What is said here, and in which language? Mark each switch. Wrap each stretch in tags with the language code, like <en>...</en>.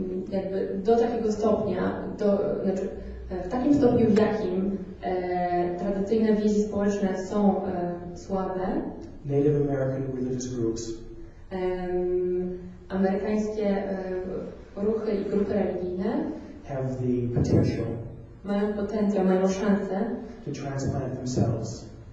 <pl>Jakby do takiego stopnia, do, znaczy w takim stopniu, w jakim tradycyjne więzi społeczne są słabe.</pl> <en>Native American religious groups.</en> <pl>Amerykańskie ruchy i grupy religijne</pl> <en>have the potential,</en> <pl>mają potencjał, mają szansę</pl> <en>to transplant themselves.</en>